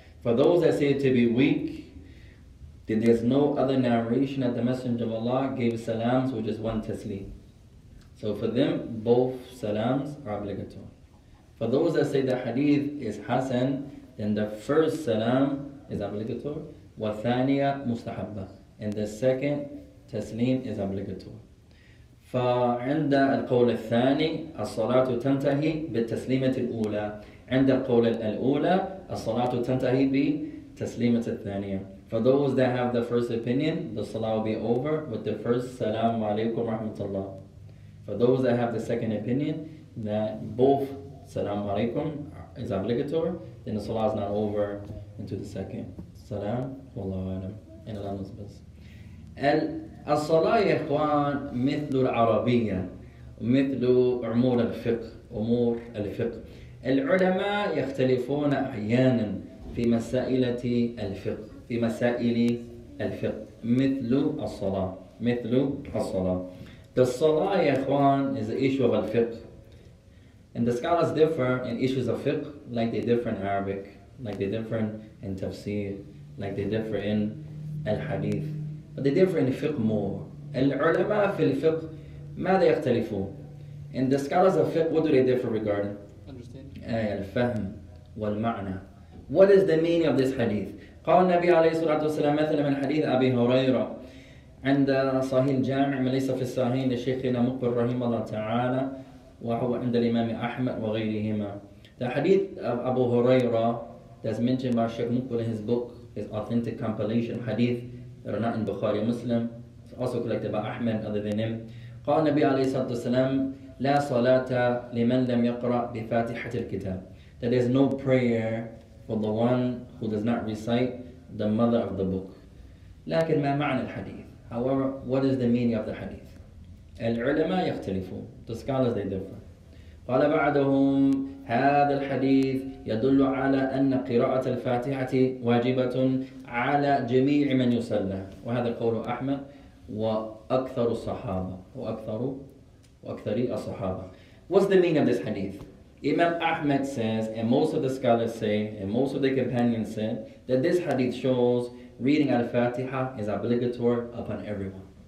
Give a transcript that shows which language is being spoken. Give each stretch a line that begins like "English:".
English: For those that see it to be weak, then there's no other narration that the Messenger of Allah gave salams, which is one taslim. So for them, both salams are obligatory. For those that say the hadith is hasan, then the first salam is obligatory,
Arabic: wa thaniya mustahabba,
English: and the second taslim is obligatory.
Arabic: فعند القول الثاني الصلاة تنتهي بالتسليمة الأولى عند القول الأولى الصلاة تنتهي بالتسليمة الثانية.
English: For those that have the first opinion, the salah will be over with the first salamu alaykum rahmatullah. For those that have the second opinion, that both salamu alaykum is obligatory, then the salah is not over into the second salam. Wallahu alam. In Allah knows best.
Arabic: الصلاة يا إخوان مثل العربية مثل أمور الفقه أمور الفقه العلماء يختلفون أحيانا في مسائل الفقه في مسائل الفقه مثل الصلاة مثل الصلاة.
English: The
Arabic: الصلاة يا إخوان
English: is the issue of الفقه and the scholars differ in issues of fiqh like they differ in Arabic, like they differ in tafsir, like they differ in al-hadith. But they differ in fiqh more.
Arabic: العلماء في الفقه ماذا يختلفون؟
English: And the scholars of fiqh, what do they differ regarding? Understanding.
Arabic: آية الفهم والمعنى.
English: What is the meaning of this hadith?
Arabic: قال النبي عليه الصلاة والسلام مثلا من حديث أبي هريرة عند صحيح الجامع من ليس في الصحيح لشيخنا مقبل رحمه الله تعالى وهو عند الإمام أحمد وغيرهما.
English: The hadith of Abu Huraira that's mentioned by Sheikh Mukbil in his book, his authentic compilation hadith, that are not in Bukhari Muslim, also collected by Ahmed other than him.
Arabic: قال النبي عليه الصلاة والسلام لا صلاة لمن لم يقرأ بفاتحة الكتاب.
English: That there's no prayer for the one who does not recite the mother of the book.
Arabic: لكن ما معنى الحديث?
English: However, what is the meaning of the hadith?
Arabic: العلماء يختلفون.
English: The scholars, they differ.
Arabic: قال بعدهم هذا الحديث يدل على أن قراءة الفاتحة واجبة على جميع من يصلى وهذا قول أحمد وأكثر الصحابة وأكثر الصحابة.
English: What's the meaning of this hadith? Imam Ahmed says, and most of the scholars say, and most of the companions say, that this hadith shows reading al-Fatiha is obligatory upon everyone.